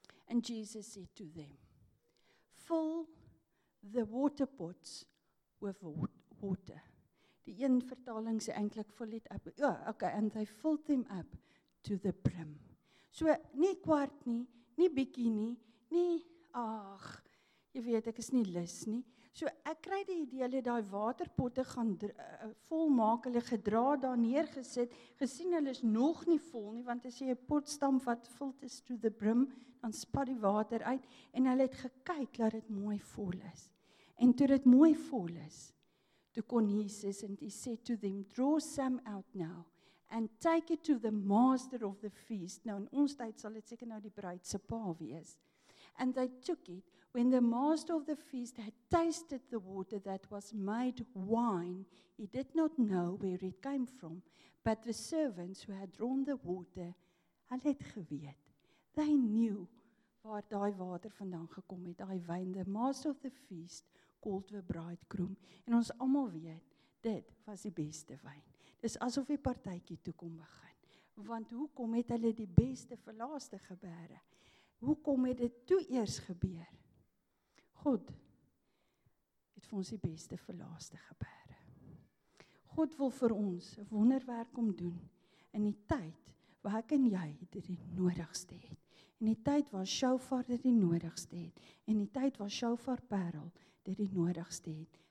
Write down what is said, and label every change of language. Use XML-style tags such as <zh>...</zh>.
<en>And Jesus said to them, fill the water pots with water.</en> <af>Die een vertaling sê eintlik vul dit op. Ja, okay,</af> <en>and they filled them up to the brim.</en> <af>So nie kwart nie, nie bietjie nie, nie ag, jy weet ek is nie lus nie. So ek kry die idee hulle daai waterpotte gaan vol maak, hulle gedra daar neergesit, gesien hulle is nog nie vol nie, want as jy 'n pot stamp wat vult is</af> <en>to the brim,</en> <af>dan spat die water uit, en hulle het gekyk dat dit mooi vol is. En toe dit mooi vol is, toe kon Jesus,</af> <en>and he said to them, draw some out now, and take it to the master of the feast.</en> <af>Nou in ons tyd sal dit seker nou die bruid se pa wees.</af> <en>And they took it. When the master of the feast had tasted the water that was made wine, he did not know where it came from. But the servants who had drawn the water,</en> <af>hulle het geweet.</af> <en>They knew</en> <af>waar daai water vandaan gekom het, daai wyn.</af> <en>The master of the feast called the bridegroom.</en> <af>En ons almal weet, dit was die beste wyn. Dis asof die partytjie toe kom begin. Want hoekom het hulle die beste vir laaste gebeure? Hoekom het dit toe eers gebeur? God het vir ons die beste vir laaste gebeure. God wil vir ons 'n wonderwerk om doen in die tyd waar ek en jy dit die nodigste het. In die tyd waar Shofar dit die nodigste het. In die tyd waar Shofar Parel dit die nodigste het.</af>